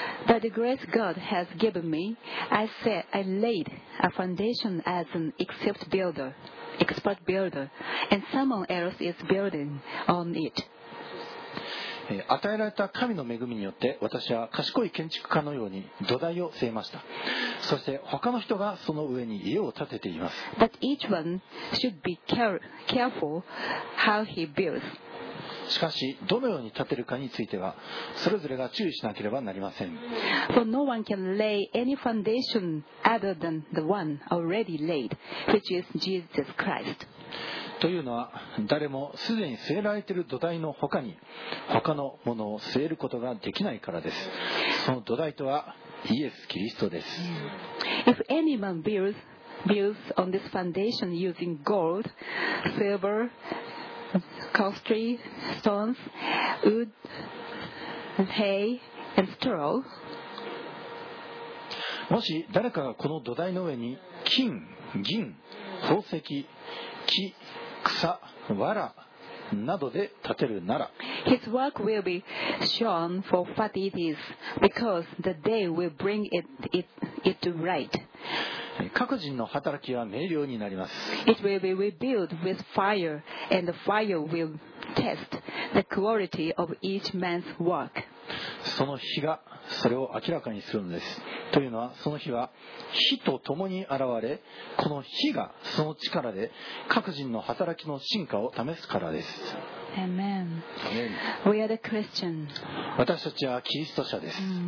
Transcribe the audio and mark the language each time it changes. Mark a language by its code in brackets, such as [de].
[en] By the grace God has given me, I said I laid a foundation as an expert builder, and someone else is building on it. [ja] 与えられた神の恵みによって、私は賢い建築家のように土台を据えました。そして他の人がその上に家を建てています。 [en] But each one should be careful how he builds. [ja] しかし、どのように建てるかについては、それぞれが注意しなければなりません。 [en] For no one can lay any foundation other than the one already laid, which is Jesus Christ. [ja] というのは、誰もすでに据えられている土台の他に、他のものを据えることができないからです。その土台とは、イエス・キリストです。 [en] If anyone builds on this foundation using gold, silver,costly stones, wood, hay, and straw. [ja] もし誰かがこの土台の上に金、銀、宝石、木、草、藁などで建てるなら、 [en] His work will be shown for what it is, because the day will bring it to light. [ja] 各人の働きは明瞭になります。 [en] It will be revealed with fire, and the fire will test the quality of each man's work. [ja] その日がそれを明らかにするのです。というのは、その日は火と共に現れ、この火がその力で各人の働きの真価を試すからです。 [en] Amen. Amen. We are the Christian. [ja] 私たちはキリスト者です。